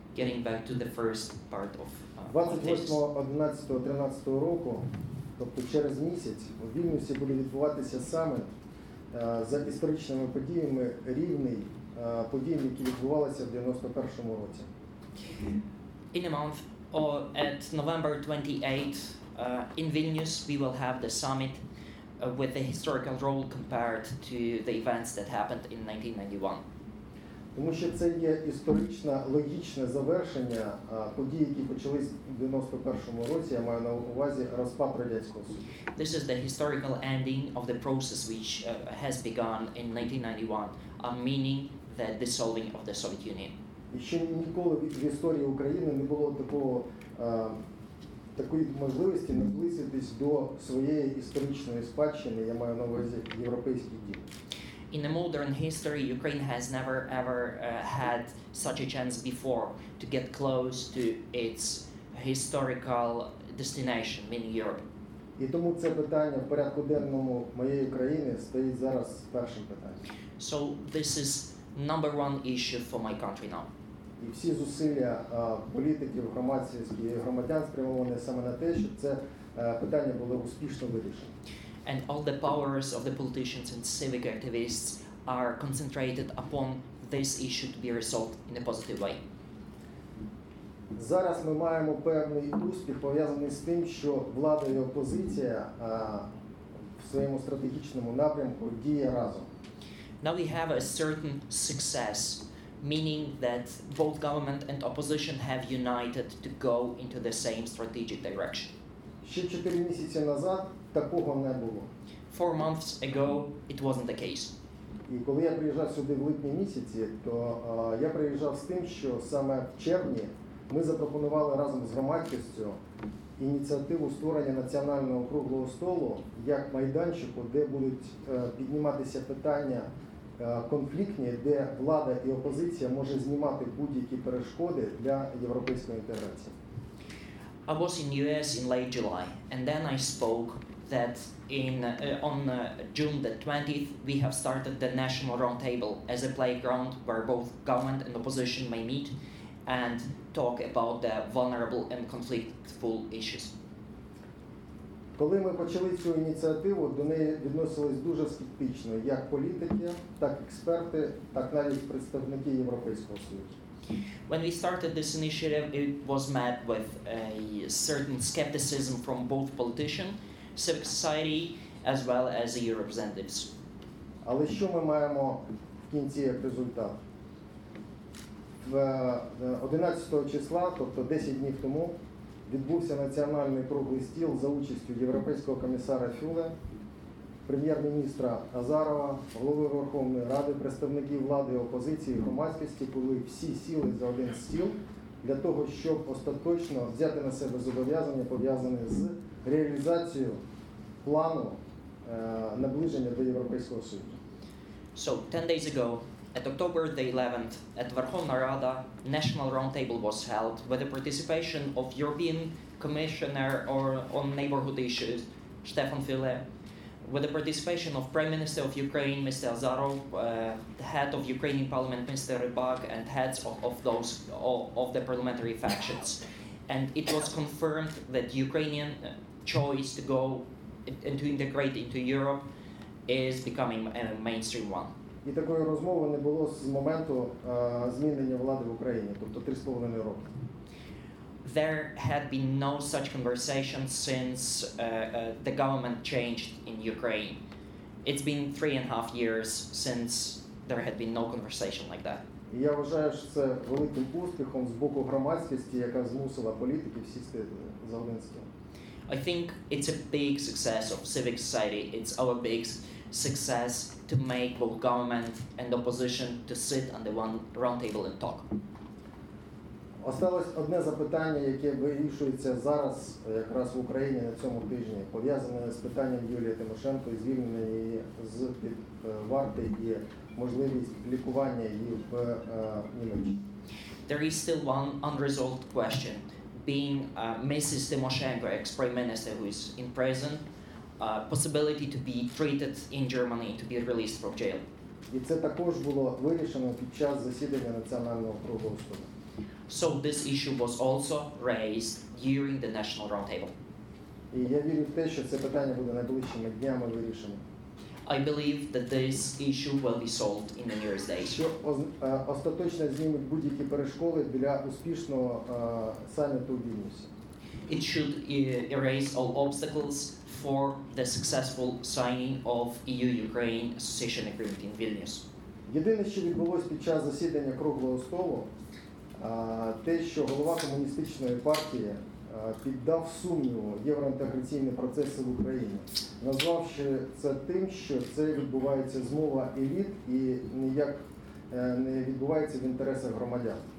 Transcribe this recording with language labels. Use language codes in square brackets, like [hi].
[en] Getting back to the first part of [uk] 28-11-13 року, тобто через місяць, у Вільнюсі буде відбуватися саміт за історичними подіями рівний подіям, які відбувалися в 91-му році. [en] In a month, or at November 28, in Vilnius, we will have the summit with the historical role compared to the events that happened in 1991. [uk] Тому що це є історично логічне завершення подій, які почались в 91-му році, я маю на увазі розпад Радянського Союзу. [en] This is the historical ending of the process which has begun in 1991, meaning the dissolving of the Soviet Union. [uk] І ще ніколи в історії України не було такого такої можливості наблизитись до своєї історичної спадщини, я маю на увазі європейські дії. [en] In the modern history, Ukraine has never ever had such a chance before to get close to its historical destination, meaning Europe. [uk] І тому це питання в порядку денному моєї країни стоїть зараз першим питанням. [en] So this is number one issue for my country now. [uk] І всі зусилля політиків, громадськості, громадян спрямовані саме на те, щоб це питання було успішно вирішено. [en] And all the powers of the politicians and civic activists are concentrated upon this issue to be resolved in a positive way. [uk] Зараз ми маємо певний успіх, пов'язаний з тим, що влада і опозиція в своєму стратегічному напрямку діє разом. [en] Now we have a certain success, meaning that both government and opposition have united to go into the same strategic direction. [uk] Ще 4 місяці назад такого не було. [en] 4 months ago it wasn't the case. [uk] І коли я приїжджав сюди в липні місяці, то я приїжджав з тим, що саме в червні ми запропонували разом з громадськістю ініціативу створення національного круглого столу як майданчику, де будуть підніматися питання конфліктні, де влада і опозиція може знімати будь-які перешкоди для європейської інтеграції. [en] I was in US in late July, and then I spoke that in June the 20th we have started the national round table as a playground where both government and opposition may meet and talk about the vulnerable and conflictful issues. [uk] Коли ми почали цю ініціативу, до неї відносились дуже скептично, як політики, так експерти, так навіть представники Європейського Союзу. [en] When we started this initiative, it was met with a certain skepticism from both politicians, civil society, as well as EU representatives. [uk] Але що ми маємо в кінці як результат? В 11 числа, тобто 10 днів тому, відбувся національний круглий стіл за участю Європейського комісара Фюле, прем'єр-міністра Азарова, голови Верховної Ради, представників влади, опозиції, громадськості, коли всі сіли за один стіл для того, щоб остаточно взяти на себе зобов'язання, пов'язане з реалізацією плану наближення до Європейського Союзу. [en] So, 10 days ago, at October the 11th, at Верховна Рада, National Roundtable was held with the participation of European Commissioner on Neighborhood Issues, Stefan Fille, with the participation of Prime Minister of Ukraine, Mr. Azarov, the head of Ukrainian Parliament, Mr. Rybak, and heads of the parliamentary factions. And it was confirmed that Ukrainian choice to go and to integrate into Europe is becoming a mainstream one. [uk] І такої розмови не було з моменту змінення влади в Україні, тобто 3.5 роки. [en] There had been no such conversation since the government changed in Ukraine. It's been 3.5 years since there had been no conversation like that. [uk] Я вважаю, що це великим успіхом з боку громадськості, яка змусила політиків сісти за один стіл. [en] I think it's a big success of civic society. It's our big success to make both government and opposition to sit on the one round table and talk. [uk] Осталось одне запитання, яке вирішується зараз якраз в Україні на цьому тижні, пов'язане з питанням Юлії Тимошенко і звільнення її з під варти і можливість лікування її в Німеччині. [en] There is still one unresolved question being Mrs. Tymoshenko, ex-prime minister who is in prison, possibility to be treated in Germany, to be released from jail. [uk] І це також було вирішено під час засідання національного круглого столу. [en] So this issue was also raised during the national roundtable. [uk] І я вірю в те, що це питання буде найближчими днями вирішено. [en] I believe that this issue will be solved in the nearest days. [uk] Що остаточно знімуть будь-які перешкоди для успішного саміту в Вільнюсі. [en] It should erase all obstacles for the successful signing of EU-Ukraine Association Agreement in Vilnius. [uk] Єдине, що відбулось під час засідання круглого столу, те, що голова комуністичної партії піддав сумніву євроінтеграційні процеси в Україні, назвавши це тим, що це відбувається змова еліт і ніяк не відбувається в інтересах громадян.